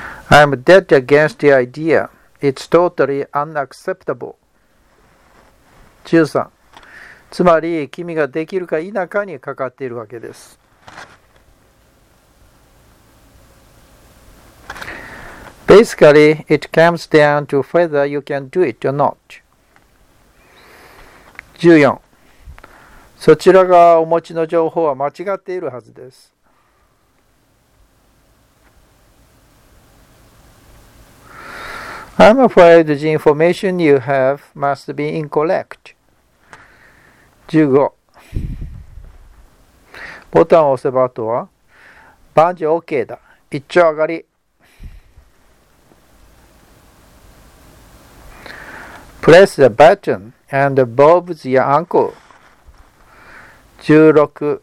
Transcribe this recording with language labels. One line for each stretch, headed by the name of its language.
English: I'm dead against the idea. It's totally unacceptable. 13.
Japanese: つまり君ができるか否かにかかっているわけです。
English: Basically, it comes down to whether you can do it or not. 14.
Japanese: そちらがお持ちの情報は間違っているはずです。
English: I'm afraid the information you have must be incorrect. 15.
Japanese: ボタンを押せばあとは万事 OK だ。一丁上がり。
English: Press the buttonAnd Bob's your uncle. 16.